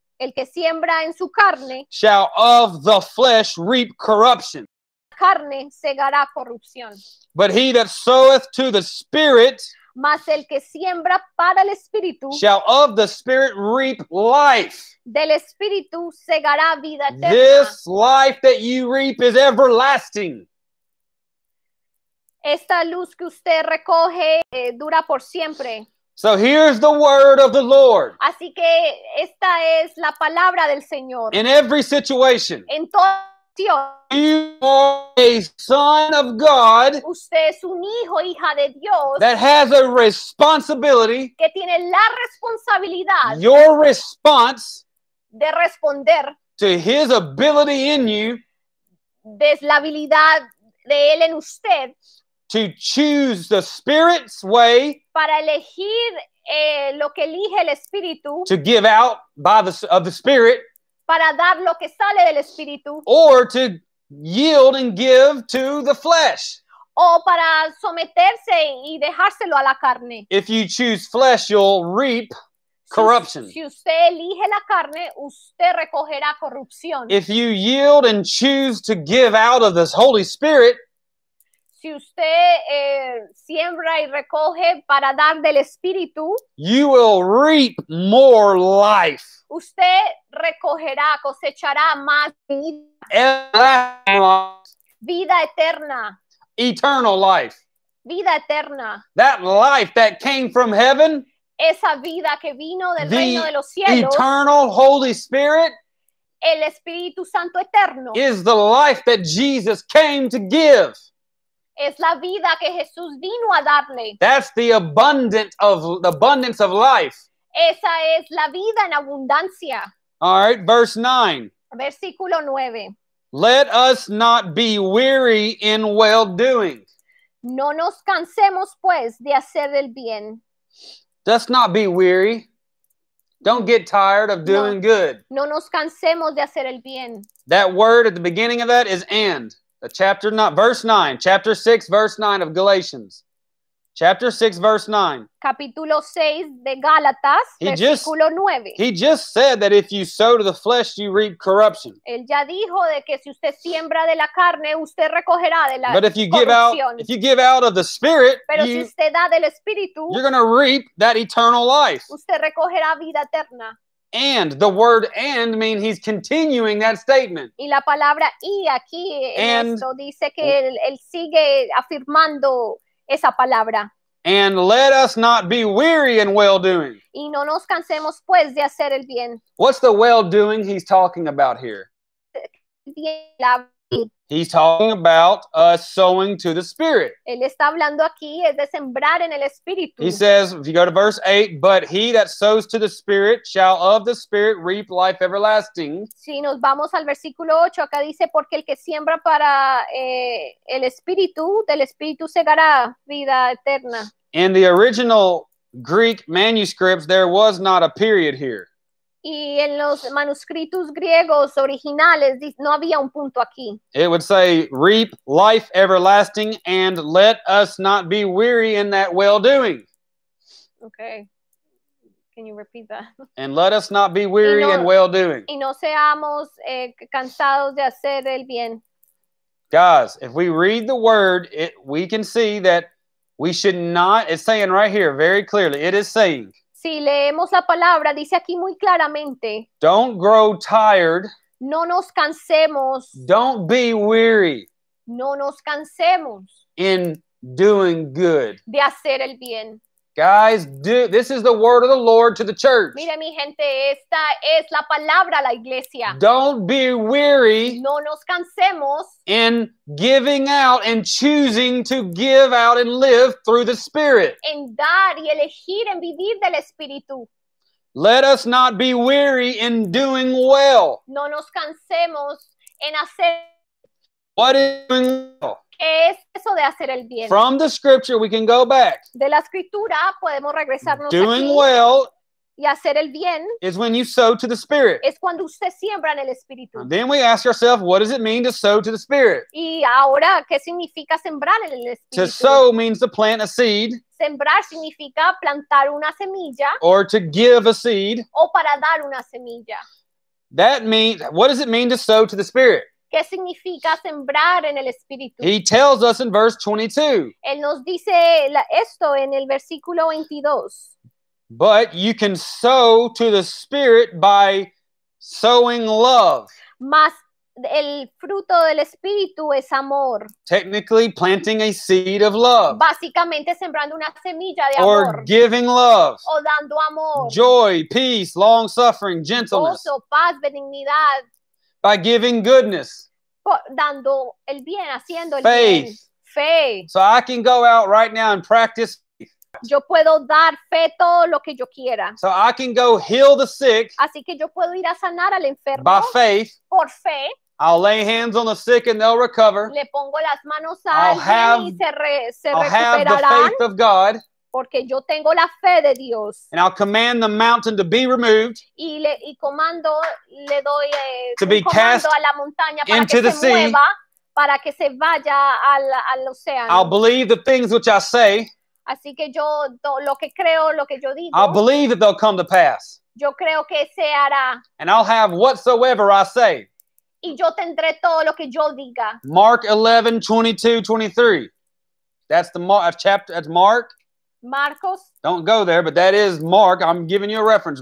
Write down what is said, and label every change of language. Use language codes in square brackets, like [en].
[es] el que siembra en su carne, [en] shall of the flesh reap corruption. [es] Carne segará corrupción. [en] But he that soweth to the Spirit, [es] mas el que siembra para el Espíritu, [en] shall of the Spirit reap life. [es] Del Espíritu segará vida eterna. [en] This life that you reap is everlasting. [es] Esta luz que usted recoge dura por siempre. [en] So here's the word of the Lord. [es] Así que esta es la palabra del Señor. [en] In every situation. [es] En toda situación. [en] You are a son of God. [es] Usted es un hijo, hija de Dios. [en] That has a responsibility. [es] Que tiene la responsabilidad. [en] Your response. [es] De responder. [en] To his ability in you. [es] De la habilidad de él en usted. [en] To choose the Spirit's way. [es] Para elegir lo que elige el Espíritu. [en] To give out of the Spirit. [es] Para dar lo que sale del Espíritu. [en] Or to yield and give to the flesh. [es] O para someterse y dejárselo a la carne. [en] If you choose flesh, you'll reap corruption. [es] Si usted elige la carne, usted recogerá corrupción. [en] If you yield and choose to give out of this Holy Spirit. [es] Si usted siembra y recoge para dar del Espíritu, [en] you will reap more life. [es] Usted recogerá, cosechará más vida. Vida eterna. [en] Eternal life. [es] Vida eterna. [en] That life that came from heaven. [es] Esa vida que vino del reino de los cielos. [en] Eternal Holy Spirit. [es] el Espíritu Santo eterno. [en] Is the life that Jesus came to give. [es] Es la vida que Jesús vino a darle. [en] That's the abundance of life. [es] Esa es la vida en abundancia. [en] All right, verse 9. [es] Versículo 9. [en] Let us not be weary in well doing. [es] No nos cansemos, pues, de hacer el bien. [en] Let's not be weary. Don't get tired of doing good. [es] No nos cansemos de hacer el bien. [en] That word at the beginning of that is and. The chapter not verse 9. Chapter 6, verse 9 of Galatians. Chapter 6, verse 9. [es] Capítulo 6 de Gálatas, versículo 9. [en] He just said that if you sow to the flesh, you reap corruption. [es] Él ya dijo de que si usted siembra de la carne, usted recogerá de la corrupción. [en] But if you give out of the Spirit, you're going to reap that eternal life. [es] Usted recogerá vida eterna. [en] And the word and means he's continuing that statement. [es] Y la palabra y aquí and, esto dice que él sigue afirmando esa palabra. [en] And let us not be weary in well doing. [es] Y no nos cansemos, pues, de hacer el bien. [en] What's the well doing he's talking about here? He's talking about us sowing to the Spirit. [es] Él está hablando aquí es de sembrar en el Espíritu. [en] He says, if you go to verse 8, but he that sows to the Spirit shall of the Spirit reap life everlasting. [es] Si nos vamos al versículo 8, acá dice, porque el que siembra para el Espíritu, del Espíritu segará vida eterna. [en] In the original Greek manuscripts, there was not a period here. [es] Y en los manuscritos griegos originales no había un punto aquí. [en] It would say, reap life everlasting and let us not be weary in that well-doing. Okay. Can you repeat that? And let us not be weary in well-doing. [es] Y no seamos cansados de hacer el bien. [en] Guys, if we read the word, we can see that we should not, it's saying right here very clearly, it is saying, [es] si leemos la palabra, dice aquí muy claramente. [en] Don't grow tired. [es] No nos cansemos. [en] Don't be weary. [es] No nos cansemos. [en] In doing good. [es] De hacer el bien. [en] Guys, this is the word of the Lord to the church. [es] Mire, mi gente, esta es la palabra a la iglesia. [en] Don't be weary. [es] No nos cansemos. [en] In giving out and choosing to give out and live through the Spirit. [es] En dar y elegir en vivir del Espíritu. [en] Let us not be weary in doing well. [es] No nos cansemos en hacer. [en] What is doing well? [es] ¿Qué es eso de hacer el bien? [en] From the scripture, we can go back. [es] De la escritura, podemos regresarnos [en] doing [es] aquí [en] well [es] y hacer el bien [en] is when you sow to the Spirit. [es] Es cuando usted siembra en el Espíritu. [en] And then we ask ourselves, what does it mean to sow to the Spirit? [es] Y ahora, ¿qué significa sembrar en el Espíritu? [en] To sow means to plant a seed. [es] Sembrar significa plantar una semilla. [en] Or to give a seed. [es] O para dar una semilla. [en] That means, what does it mean to sow to the Spirit? [es] ¿Qué significa sembrar en el Espíritu? [en] He tells us in verse 22. [es] Él nos dice esto en el versículo 22. [en] But you can sow to the Spirit by sowing love. [es] Mas el fruto del Espíritu es amor. [en] Technically planting a seed of love. [es] Básicamente sembrando una semilla de [en] or [es] amor. [en] Or giving love. [es] O dando amor. [en] Joy, peace, long-suffering, gentleness. [es] Gozo, paz, benignidad. [en] By giving goodness. [es] Dando el bien, haciendo [en] faith. [es] El bien. Fe. [en] So I can go out right now and practice faith. [es] Yo puedo dar fe todo lo que yo quiera. [en] So I can go heal the sick. [es] Así que yo puedo ir a sanar al enfermo. [en] By faith. [es] Por fe. [en] I'll lay hands on the sick and they'll recover. [es] Le pongo las manos a alguien have, y se [en] I'll have the faith of God. [es] Porque yo tengo la fe de Dios. [en] And I'll command the mountain to be removed. [es] Y comando, le doy, [en] to be cast [es] a la montaña para [en] into [es] que [en] the [es] se [en] sea. [es] Mueva, para que se vaya al océano. [en] I'll believe the things which I say. [es] Así que yo, lo que creo, lo que yo digo, [en] I'll believe that they'll come to pass. [es] Yo creo que se hará. [en] And I'll have whatsoever I say. [es] Y yo tendré todo lo que yo diga. [en] Mark 11, 22, 23. That's the chapter, that's Mark. [es] Marcos. [en] Don't go there, but that is Mark. I'm giving you a reference.